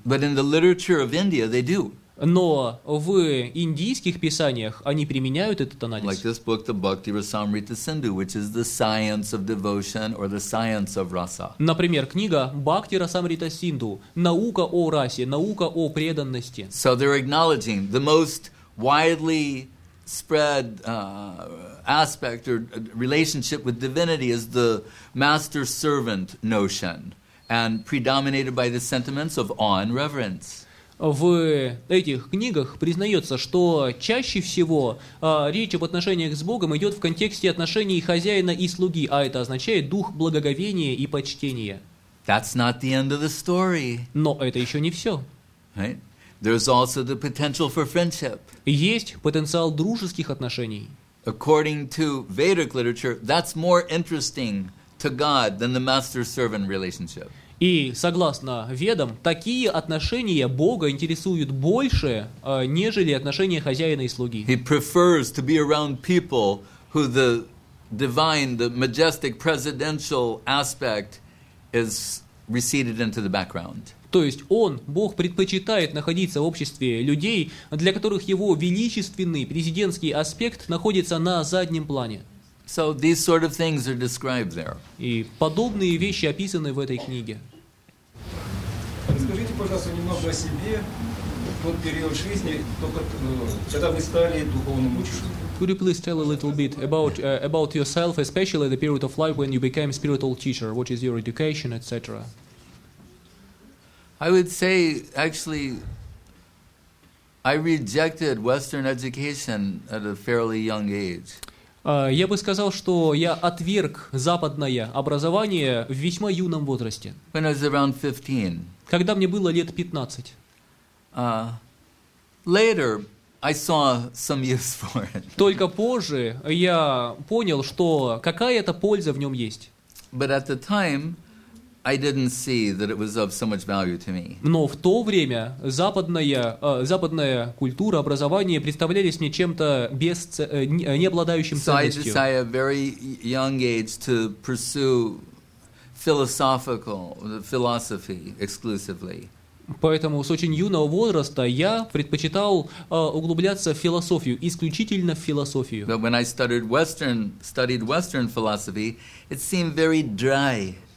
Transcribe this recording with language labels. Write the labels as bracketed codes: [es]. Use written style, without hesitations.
[en] But in the literature of India, they do. [ru] Но в индийских писаниях они применяют этот анализ. [en] Like this book, the Bhakti Rasamrita Sindhu, which is the science of devotion or the science of rasa. [ru] Например, книга Бхакти Расамрита Синду, наука о расе, наука о преданности. [en] So they're acknowledging the most widely spread aspect or relationship with divinity is the master-servant notion, and predominated by the sentiments of awe and reverence. [ru] В этих книгах признается, что чаще всего речь об отношениях с Богом идет в контексте отношений хозяина и слуги, а это означает дух благоговения и почтения. [en] That's not the end of the story. [ru] Но это еще не все. [en] Right? There's also the potential for friendship. [ru] Есть потенциал дружеских отношений. [en] According to Vedic literature, that's more interesting to God than the master-servant relationship. [ru] И, согласно ведам, такие отношения Бога интересуют больше, нежели отношения хозяина и слуги. [en] He prefers to be around people who the divine, the majestic presidential aspect is receded into the background. [ru] То есть он, Бог, предпочитает находиться в обществе людей, для которых его величественный президентский аспект находится на заднем плане. [en] So these sort of things are described there. [ru] И подобные вещи описаны в этой книге. Расскажите, пожалуйста, немного о себе. Тот период жизни, когда вы стали духовным учителем. [en] Could you please tell a little bit about yourself, especially the period of life when you became spiritual teacher? What is your education, etc.? I would say, actually, I rejected Western education at a fairly young age. [ru] Я бы сказал, что я отверг западное образование в весьма юном возрасте. [en] When I was around 15. [ru] Когда мне было лет 15. [en] Later, I saw some use for it. [ru] Только позже я понял, что какая-то польза в нем есть. [en] But at the time, I didn't see that it was of so much value to me. [ru] Но в то время западная культура, образование представлялись мне чем-то не обладающим ценностью. [en] So I decided at a very young age to pursue philosophy exclusively. [ru] Поэтому с очень юного возраста я предпочитал углубляться в философию, исключительно в философию. [en] But when I studied Western philosophy, it seemed very dry.